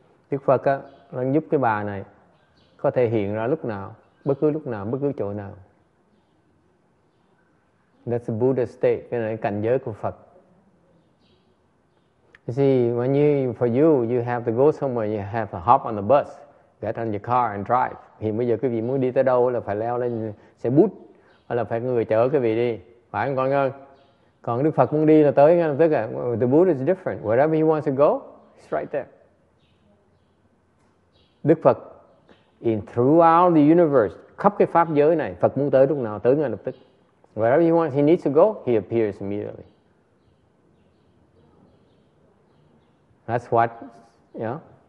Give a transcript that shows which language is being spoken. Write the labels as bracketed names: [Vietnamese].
[Vietnamese] Đức Phật á, đang giúp cái bà này có thể hiện ra lúc nào, bất cứ chỗ nào. [English] That's the Buddha state. [Vietnamese] Cái này là cảnh giới của Phật. [English] You see, when you have to go somewhere, you have to hop on the bus, get on your car and drive. [Vietnamese] Thì bây giờ quý vị muốn đi tới đâu là phải leo lên xe bus, hoặc là phải người chở quý vị đi. Phải không con ơi? Còn Đức Phật muốn đi là tới ngay lập tức à. [English] The Buddha is different. Wherever he wants to go, it's right there. [Vietnamese] Đức Phật [English] in throughout the universe, [Vietnamese] khắp cái pháp giới này, Phật muốn tới lúc nào tới ngay lập tức. [English] Wherever he wants, he needs to go, he appears immediately. That's what, yeah.